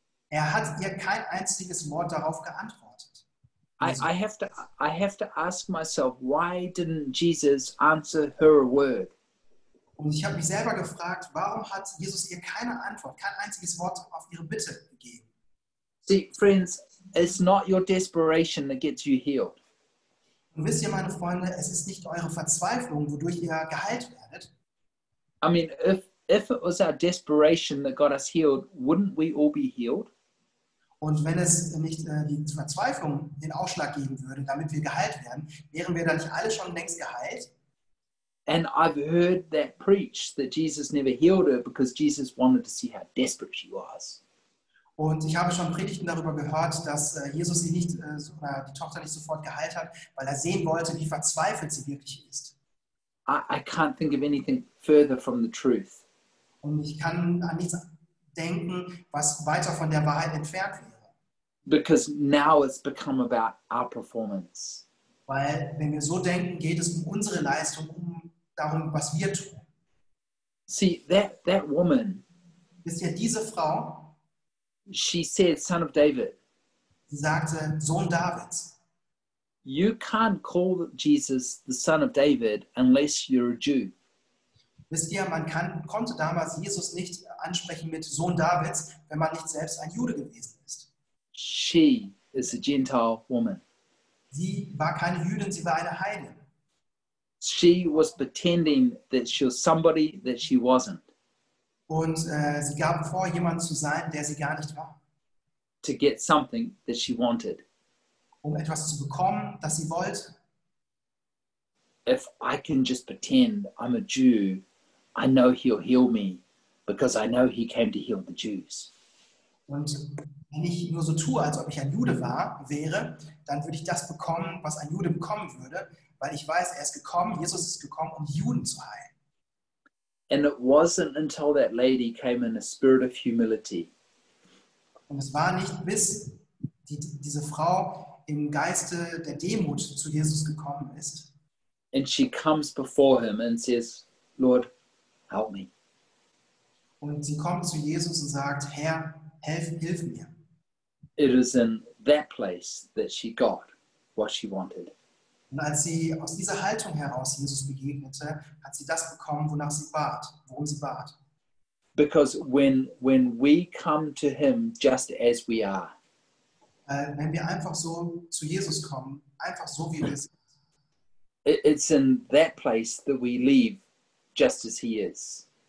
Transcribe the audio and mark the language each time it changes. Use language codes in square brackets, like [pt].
[de] Er hat ihr kein einziges Wort darauf geantwortet. [en] I have to ask myself, why didn't Jesus answer her a word? [de] Und ich habe mich selber gefragt, warum hat Jesus ihr keine Antwort, kein einziges Wort auf ihre Bitte gegeben? [en] See, friends, it's not your desperation that gets you healed. [de] Und wisst ihr, meine Freunde, es ist nicht eure Verzweiflung, wodurch ihr geheilt werdet. [en] I mean, if it was our desperation that got us healed, wouldn't we all be healed? [de] Und wenn es nicht die Verzweiflung den Ausschlag geben würde, damit wir geheilt werden, wären wir dann nicht alle schon längst geheilt? [en] And I've heard that preach that Jesus never healed her because Jesus wanted to see how desperate she was. [de] Und ich habe schon Predigten darüber gehört, dass Jesus sie nicht oder die Tochter nicht sofort geheilt hat, weil er sehen wollte, wie verzweifelt sie wirklich ist. [en] I can't think of anything further from the truth. [de] Und ich kann an nichts denken, was weiter von der Wahrheit entfernt wäre. [en] Because now it's become about our performance. [de] Weil, wenn wir so denken, geht es um unsere Leistung, um darum, was wir tun. [en] See, that woman, [de] ist ja diese Frau, [en] she said, Son of David, [de] sie sagte, Sohn Davids. [en] You can't call Jesus the Son of David unless you're a Jew. [de] Wisst ihr, man konnte damals Jesus nicht ansprechen mit Sohn Davids, wenn man nicht selbst ein Jude gewesen ist. [en] She is a Gentile woman. [de] Sie war keine Jüdin, sie war eine Heidin. [en] She was pretending that she was somebody that she wasn't. [de] Und sie gab vor, jemand zu sein, der sie gar nicht war. [en] To get something that she wanted. [de] Um etwas zu bekommen, das sie wollte. [en] If I can just pretend I'm a Jew, I know he'll heal me because I know he came to heal the Jews. [de] Und wenn ich nur so tue, als ob ich ein Jude wäre, dann würde ich das bekommen, was ein Jude bekommen würde, weil ich weiß, er ist gekommen, Jesus ist gekommen, um Juden zu heilen. [en] And it wasn't until that lady came in a spirit of humility. [de] Und es war nicht, bis diese Frau im Geiste der Demut zu Jesus gekommen ist. [en] And she comes before him and says, Lord, help me. [de] Und sie kommt zu Jesus und sagt, Herr, hilf mir. [en] It is in that place that she got what she wanted. [de] Und als sie aus dieser Haltung heraus Jesus begegnete, hat sie das bekommen, wonach sie bat, worum sie bat. [en] Because when we come to him just as we are. [de] Wenn wir einfach so zu Jesus kommen, einfach so wie wir sind. [en] It's in that place that we leave just as he is.